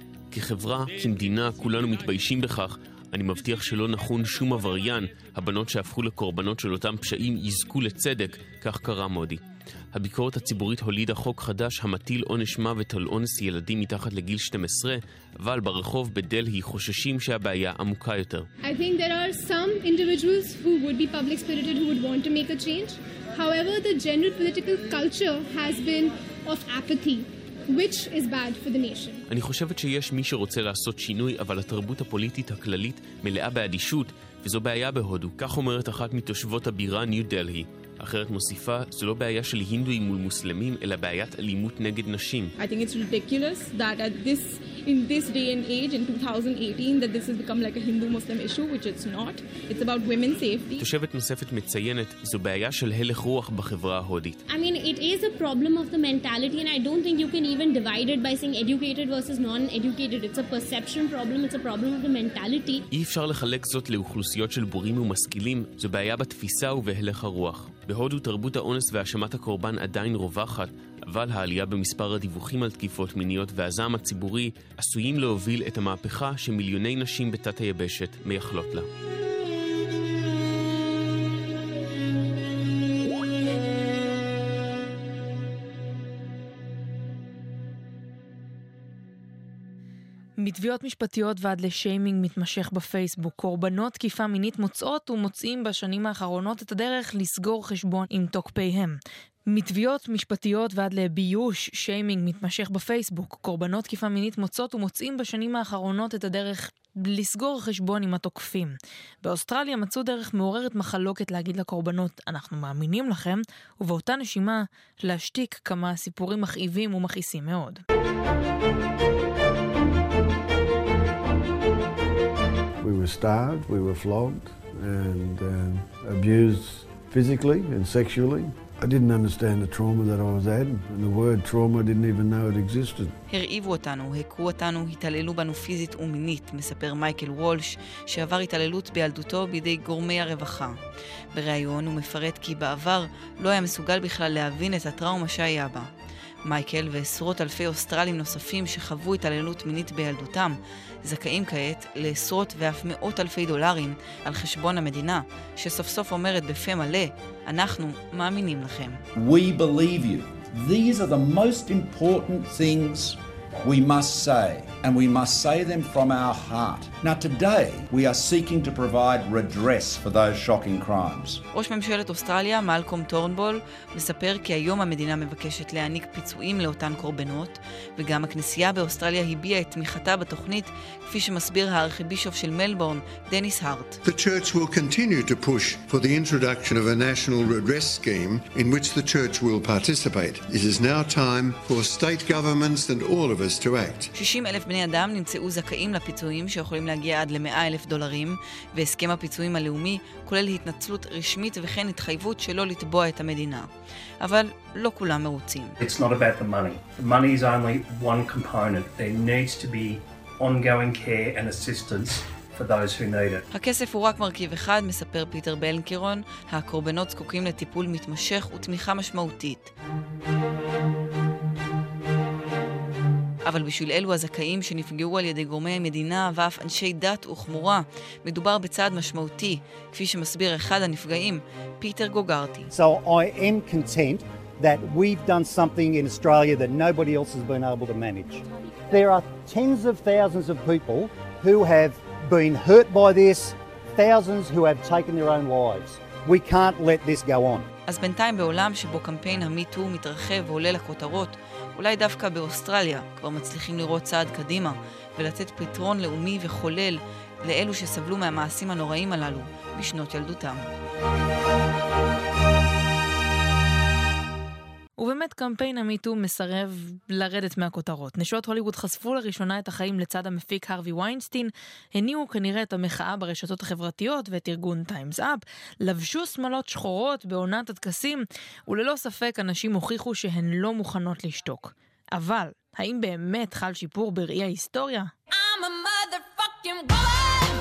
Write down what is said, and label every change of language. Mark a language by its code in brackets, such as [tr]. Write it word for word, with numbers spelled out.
[he] כחברה, כמדינה, כולנו מתביישים בכך. אני מבטיח שלא נכון שום עבריין. הבנות שהפכו לקורבנות של אותם פשעים יזכו לצדק, כך קרא מודי. הביקורת הציבורית הולידה חוק חדש המטיל עונש מוות על אונס ילדים מתחת לגיל שתים עשרה, אבל ברחוב בדלהי חוששים שהבעיה עמוקה יותר. [en] I think there are some individuals who would be public spirited who would want to make a change. However, the general political culture has been of apathy, which is bad for the nation. [he] אני חושבת שיש מי שרוצה לעשות שינוי, אבל התרבות הפוליטית הכללית מלאה באדישות, וזו בעיה בהודו. כך אומרת אחת מתושבות הבירה ניו דלהי. אחרת מוסיפה, זו לא בעיה של הינדואים מול מוסלמים, אלא בעיית אלימות נגד נשים. [en] I think it's ridiculous that at this in this day and age in twenty eighteen that this has become like a Hindu-Muslim issue, which it's not. It's about women's safety. [he] תושבת נוספת מציינת, זו בעיה של הלך רוח בחברה ההודית. [en] I mean, it is a problem of the mentality, and I don't think you can even divide it by saying educated versus non-educated. It's a perception problem. It's a problem of the mentality. [he] אי אפשר לחלק זאת לאוכלוסיות של בורים ומשכילים. זו בעיה בתפיסה ובהלך הרוח. בהודו תרבות האונס והאשמת הקורבן עדיין רווחת, אבל העלייה במספר הדיווחים על תקיפות מיניות והזעם הציבורי עשויים להוביל את המהפכה שמיליוני נשים בתת היבשת מייחלות לה. מתביעות משפטיות ועד לשיימינג מתמשך בפייסבוק, קורבנות תקיפה מינית מוצאות ומוצאים בשנים האחרונות את הדרך לסגור חשבון עם תוקפיהם. מתביעות משפטיות ועד לביוש שיימינג מתמשך בפייסבוק, קורבנות תקיפה מינית מוצאות ומוצאים בשנים האחרונות את הדרך לסגור חשבון עם התוקפים. באוסטרליה מצאו דרך מעוררת מחלוקת להגיד לקורבנות, אנחנו מאמינים לכם, ובאותה נשימה להשתיק כמה סיפורים מכאיבים ומכעיסים מאוד. [en] We were starved, we were flogged and um, abused physically and sexually. I didn't understand the trauma that I was at, and the word trauma I didn't even know it existed. [he] הרעיבו אותנו, הכו אותנו, התעללו בנו פיזית ומינית, מספר מייקל וולש, שעבר התעללות בילדותו בידי גורמי הרווחה. בריאיון הוא מפרט כי בעבר לא היה מסוגל בכלל להבין את הטראומה שהיה בה. מייקל ועשרות אלפי אוסטרלים נוספים שחוו התעללות מינית בילדותם, זכאים כעת לעשרות ואף מאות אלפי דולרים על חשבון המדינה, שסוף סוף אומרת בפה מלא, אנחנו מאמינים לכם. [en] We believe you. These are the most important things we must say, and we must say them from our heart. Now today, we are seeking to provide redress for those shocking crimes. [he] ראש ממשלת אוסטרליה, מלקום טורנבול, מספר כי היום המדינה מבקשת להעניק פיצויים לאותן קורבנות, וגם הכנסייה באוסטרליה הביעה את תמיכתה בתוכנית, כפי שמסביר הארכיבישוף של מלבורן, דניס הארט. [en] The church will continue to push for the introduction of a national redress scheme in which the church will participate. It is now time for state governments and all of us to act. [he] שישים אלף בני אדם נמצאו זכאים לפיצויים שיכולים להגיע עד ל-מאה אלף דולרים, והסכם הפיצויים הלאומי כולל התנצלות רשמית וכן התחייבות שלא לתבוע את המדינה. אבל לא כולם מרוצים. [en] It's not about the money. The money is only one component. There needs to be ongoing care and assistance for those who need it. [he] הכסף הוא רק מרכיב אחד, מספר פיטר בלנקירון, הקורבנות זקוקים לטיפול מתמשך ותמיכה משמעותית. אבל בשביל אלו הזכאים שנפגעו על ידי גורמי המדינה ואף אנשי דת וחמורה, מדובר בצעד משמעותי, כפי שמסביר אחד הנפגעים, פיטר גוגרטי. [en] So I am content that we've done something in Australia that nobody else has been able to manage. There are tens of thousands of people who have been hurt by this, thousands who have taken their own lives. We can't let this go on. [he] אז בינתיים בעולם שבו קמפיין המיטו מתרחב ועולה לכותרות, אולי דווקא באוסטרליה כבר מצליחים לראות צעד קדימה ולתת פתרון לאומי וחולל לאלו שסבלו מהמעשים הנוראים הללו בשנות ילדותם. ובאמת קמפיין המיטו מסרב לרדת מהכותרות. נשות הוליווד חשפו לראשונה את החיים לצד המפיק הרווי ויינסטין, הניעו כנראה את המחאה ברשתות החברתיות ואת ארגון טיימס אפ, לבשו שמלות שחורות בעונת התקסים, וללא ספק אנשים הוכיחו שהן לא מוכנות לשתוק. אבל, האם באמת חל שיפור בראי ההיסטוריה? [en] I'm a motherfucking woman!